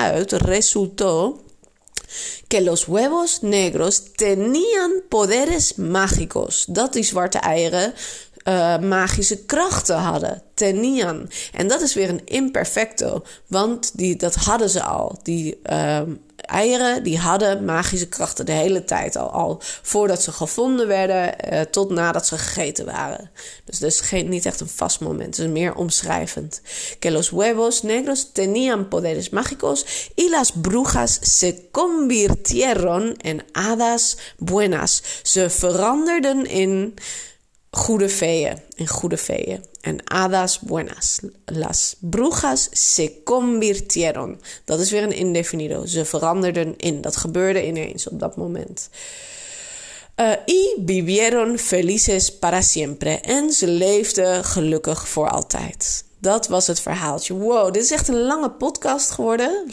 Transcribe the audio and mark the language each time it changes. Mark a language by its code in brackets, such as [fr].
[es] Resultó que los huevos negros tenían poderes mágicos. [nl] Dat die zwarte eieren magische krachten hadden. Tenían. En dat is weer een imperfecto, want dat hadden ze al. Eieren die hadden magische krachten de hele tijd al voordat ze gevonden werden tot nadat ze gegeten waren. Dus dat is niet echt een vast moment, het is meer omschrijvend. [es] Que los huevos negros tenían poderes mágicos y las brujas se convirtieron en hadas buenas. [nl] Ze veranderden in goede feeën, En [es] hadas buenas. Las brujas se convirtieron. [nl] Dat is weer een indefinido. Ze veranderden in. Dat gebeurde ineens op dat moment. [es] Y vivieron felices para siempre. [nl] En ze leefden gelukkig voor altijd. Dat was het verhaaltje. Wow, dit is echt een lange podcast geworden.